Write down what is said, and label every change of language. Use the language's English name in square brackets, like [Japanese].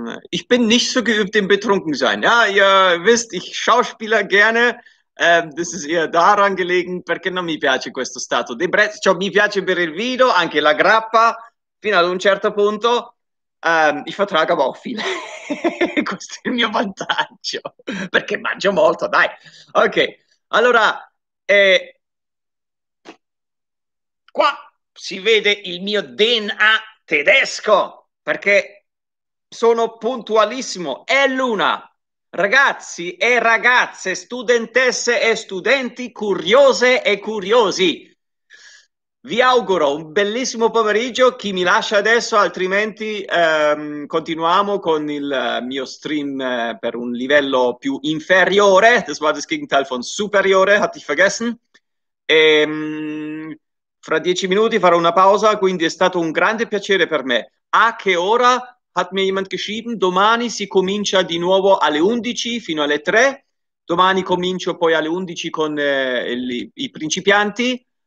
[German] Ich bin nicht so geübt im Betrunkensein. Ja, ihr wisst, ich schauspieler gerne. Das ist eher daran gelegen, [Italian] perché non mi piace questo stato di ebbrezza. Cioè, mi piace bere il vino, anche la grappa, fino ad un certo punto. [German] Ich vertrage aber auch viel. [Italian] Questo è il mio vantaggio, perché mangio molto, dai. Ok, allora, qua si vede il mio DNA tedesco, perché sono puntualissimo. È l'una. Ragazzi e ragazze, studentesse e studenti, curiose e curiosi. Vi auguro un bellissimo pomeriggio, chi mi lascia adesso, altrimenti continuiamo con il mio stream per un livello più inferiore, [German] das war das Gegenteil von superiore, hatte ich vergessen. [Italian] E, fra 10 minuti farò una pausa, quindi è stato un grande piacere per me. A che ora [German] hat mir jemand geschrieben? [Italian] Domani si comincia di nuovo alle 11 fino alle 3, domani comincio poi alle 11 con i principianti.